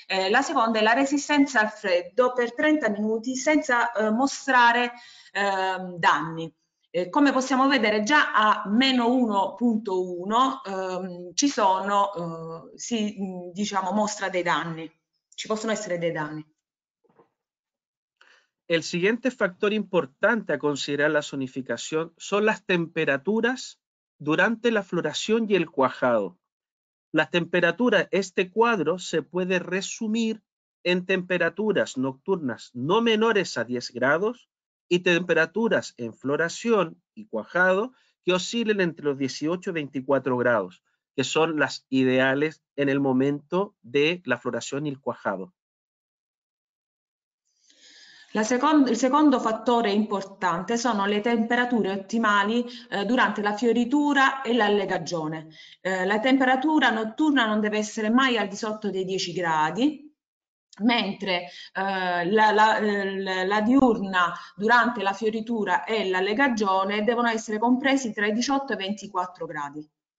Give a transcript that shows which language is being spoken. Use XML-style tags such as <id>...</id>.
<it>La seconda è la resistenza al freddo per 30 minuti senza mostrare danni. Come possiamo vedere, già a meno 1,1 ci sono, si diciamo, mostra dei danni. Ci possono essere dei danni.</it> <es>El siguiente factor importante a considerar la zonificación son las temperaturas durante la floración y el cuajado. Las temperaturas, este cuadro se puede resumir en temperaturas nocturnas no menores a 10 grados y temperaturas en floración y cuajado que oscilen entre los 18 y 24 grados, que son las ideales en el momento de la floración y el cuajado.</es> <it>Il secondo fattore importante sono le temperature ottimali durante la fioritura e l'allegagione. La temperatura notturna non deve essere mai al di sotto dei 10 gradi, mentre la diurna durante la fioritura e l'allegagione devono essere compresi tra i 18 e i 24 gradi.</it>